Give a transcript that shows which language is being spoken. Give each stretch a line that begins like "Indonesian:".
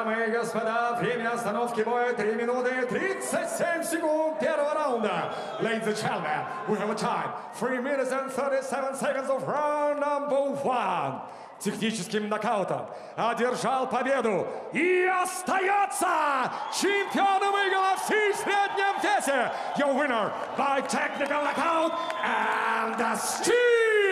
Russian: Господа, время остановки боя 3 минуты 37 секунд первого раунда.
English: Ladies and gentlemen, we have a time. 3 minutes and 37 seconds of round number one.
Russian: Техническим нокаутом одержал победу и остается чемпионом Eagle FC в среднем весе.
English: Your winner by technical knockout and the steal.